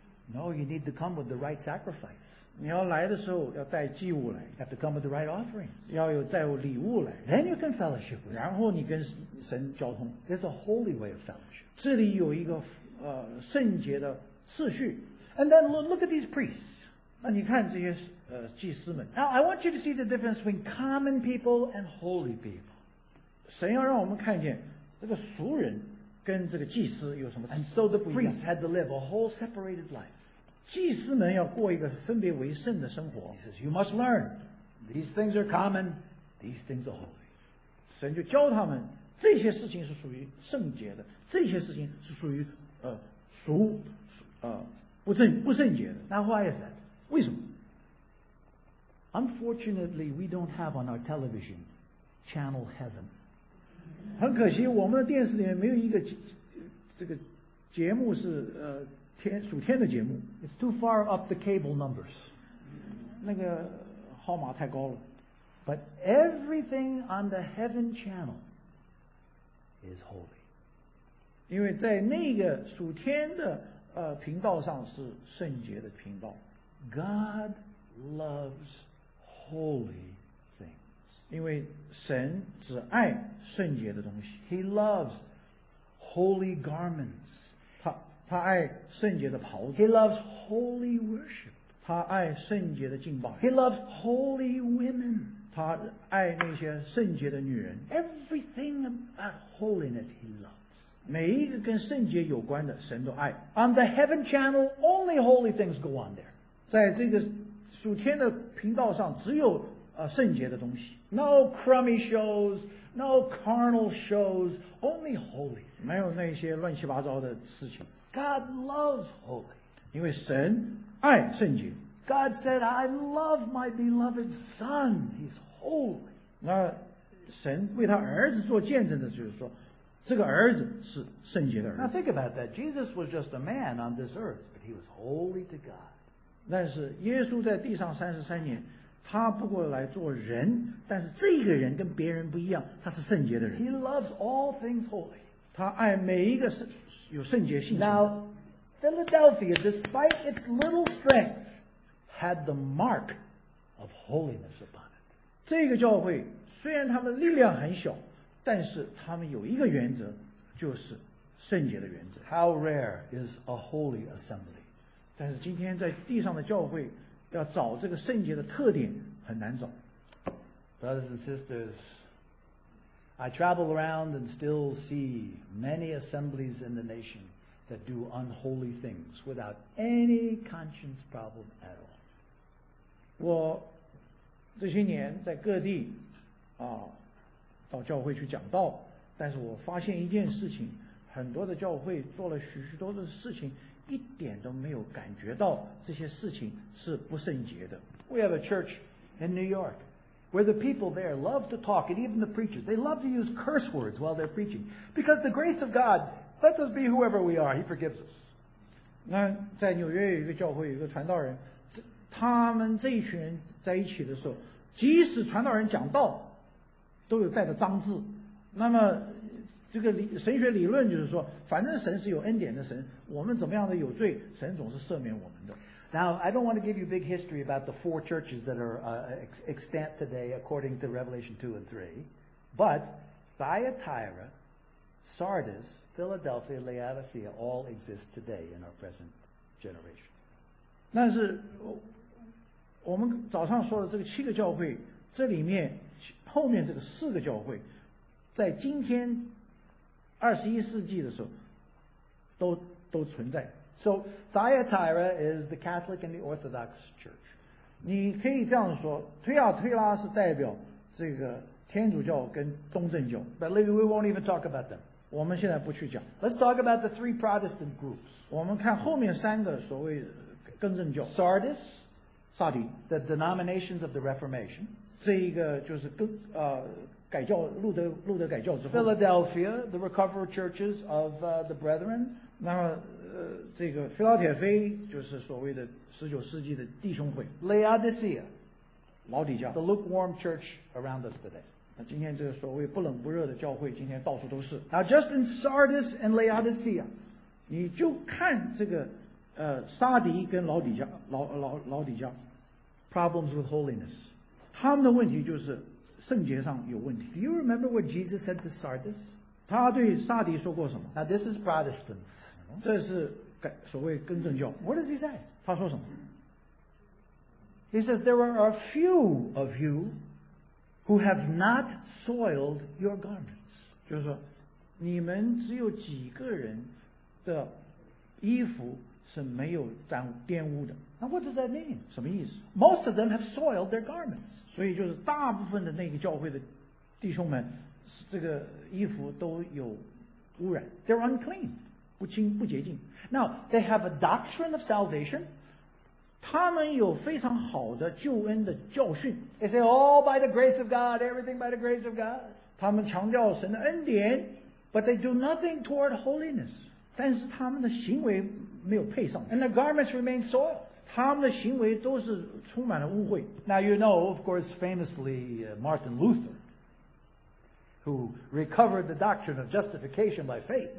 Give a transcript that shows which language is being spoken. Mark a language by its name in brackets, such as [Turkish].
[English] No, you need to come with the right sacrifice [Chinese] 你要来的时候要带祭物来 [English] You have to come with the right offering [Chinese] 要有带礼物来 [English] Then you can fellowship with [Chinese] 然后你跟神交通 [English] There's a holy way of fellowship [Chinese] 这里有一个圣洁的次序 [English] And then look at these priests [Chinese] 那你看这些祭司们 [English] Now I want you to see the difference between common people and holy people. [Chinese] 神要让我们看见这个俗人跟这个祭司有什么 [English] And so the priests had to live a whole separated life. [Chinese] 祭司们要过一个分别为圣的生活 [English] He says, you must learn. These things are common. These things are holy. [Chinese] 神就教他们这些事情是属于圣洁的，这些事情是属于不圣洁的。 [English] Now why is that? [Chinese] 为什么？ [English] Unfortunately, we don't have on our television channel heaven. [Chinese] 很可惜，我们的电视里面没有一个这个节目是天属天的节目。 [English] It's too far up the cable numbers. [Chinese] 那个号码太高了。 [English] But everything on the heaven channel is holy. [Chinese] 因为在那个属天的频道上是圣洁的频道。 [English] God loves holy things. [Chinese] 因为神只爱圣洁的东西。 [English] He loves holy garments. [Chinese] 他爱圣洁的袍子。 [English] He loves holy worship. [Chinese] 他爱圣洁的敬拜。 [English] He loves holy women. [Chinese] 他爱那些圣洁的女人。 [English] Everything about holiness he loves. [Chinese] 每一个跟圣洁有关的，神都爱。 [English] On the heaven channel, only holy things go on there. [Chinese] 在这个属天的频道上，只有圣洁的东西。 [English] No crummy shows, no carnal shows, only holy things. [Chinese] 没有那些乱七八糟的事情。 [English] God loves holy. [Chinese] 因为神爱圣洁。 [English] God said, I love my beloved son. He's holy. [Chinese] 那神为他儿子做见证的就是说，这个儿子是圣洁的儿子。 [English] Now think about that. Jesus was just a man on this earth, but he was holy to God. [Chinese] 但是耶稣在地上33年，他不过来做人，但是这个人跟别人不一样，他是圣洁的人。 [English] He loves all things holy. [Chinese] 他爱每一个有圣洁性的。 [English] Now, Philadelphia, despite its little strength,had the mark of holiness upon it. [Chinese] 这个教会虽然他们力量很小，但是他们有一个原则，就是圣洁的原则。 [English] How rare is a holy assembly? [Chinese] 但是今天在地上的教会要找这个圣洁的特点很难找。 [English] Brothers and sisters, I travel around and still see many assemblies in the nation that do unholy things without any conscience problem at all. [Chinese] 我这些年在各地到教会去讲道，但是我发现一件事情，很多的教会做了许许多的事情，一点都没有感觉到这些事情是不圣洁的。 [English] We have a church in New York where the people there love to talk, and even the preachers, they love to use curse words while they're preaching, because the grace of God lets us be whoever we are, he forgives us. [Chinese] 那在纽约有一个教会，有一个传道人，他们这一群人在一起的时候，即使传道人讲道都有带着脏字。那么这个神学理论就是说，反正神是有恩典的神，我们怎么样的有罪，神总是赦免我们的。 [English] Now I don't want to give you big history about the four churches that are extant today according to Revelation 2 and 3, but Thyatira, Sardis, Philadelphia, Laodicea all exist today in our present generation. [Chinese] 但是我们早上说的这个七个教会，这里面后面这个四个教会，在今天21世纪的时候都存在。 [English] So Thyatira is the Catholic and the Orthodox Church. [Chinese] 你可以这样说，推亚推拉是代表这个天主教跟东正教。 [English] But maybe we won't even talk about them. [Chinese] 我们现在不去讲。 [English] Let's talk about the three Protestant groups. [Chinese] 我们看后面三个所谓根正教。 [English] Sardis. [Chinese] 萨迪 [English] the denominations of the Reformation, [Chinese] 这一个就是改教路德改教之后 [English] ，Philadelphia, the recovered churches of the Brethren, [Chinese] 那么这个腓拉铁菲就是所谓的19世纪的弟兄会 [English] ，Laodicea, [Chinese] 老底教 [English] the lukewarm church around us today, [Chinese] 那今天这个所谓不冷不热的教会，今天到处都是。 [English] Now just in Sardis and Laodicea, [Chinese] 你就看这个。沙迪跟老底教 老底教 [English] problems with holiness, [Chinese] 他们的问题就是圣洁上有问题。 [English] Do you remember what Jesus said to Sardis? [Chinese] 他对沙迪说过什么？ [English] Now this is Protestants, [Chinese] 这是所谓根正教。 [English] What does he say? [Chinese] 他说什么？ [English] He says there are a few of you who have not soiled your garments, [Chinese] 就是说你们只有几个人的衣服是没有玷污的。 [English] Now what does that mean? [Chinese] 什么意思？ [English] Most of them have soiled their garments. [Chinese] 所以就是大部分的那个教会的弟兄们这个衣服都有污染。 [English] They're unclean. [Chinese] 不清不洁净。 [English] Now, they have a doctrine of salvation. [Chinese] 他们有非常好的救恩的教训。 [English] They say, all by the grace of God, everything by the grace of God. [Chinese] 他们强调神的恩典。 [English] But they do nothing toward holiness. [Chinese] 但是他们的行为没有配上。 [English] And their garments remain soiled. [Chinese] 他们的行为都是充满了污秽。 [English] Now you know, of course, famously, Martin Luther, who recovered the doctrine of justification by faith.